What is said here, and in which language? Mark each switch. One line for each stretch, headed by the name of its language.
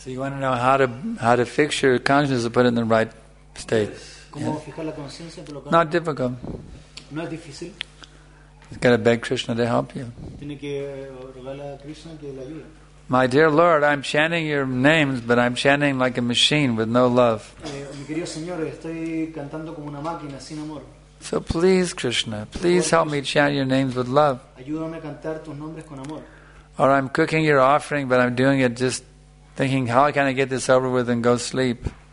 English: So you want to know how to fix your consciousness to put it in the right state. Yes. Yeah. Not difficult.
Spanish: No es difícil.
English: You've got to beg Krishna to help you.
Spanish: Tiene que rogarle a Krishna que le ayude.
English: My dear Lord, I'm chanting your names, but I'm chanting like a machine with no love.
Spanish: Mi querido señor, estoy cantando como una máquina sin amor.
English: So please, Krishna, please help me chant your names with love.
Spanish: Ayúdame a cantar tus nombres con amor.
English: Or I'm cooking your offering, but I'm doing it just thinking, how can I get this over with and go sleep?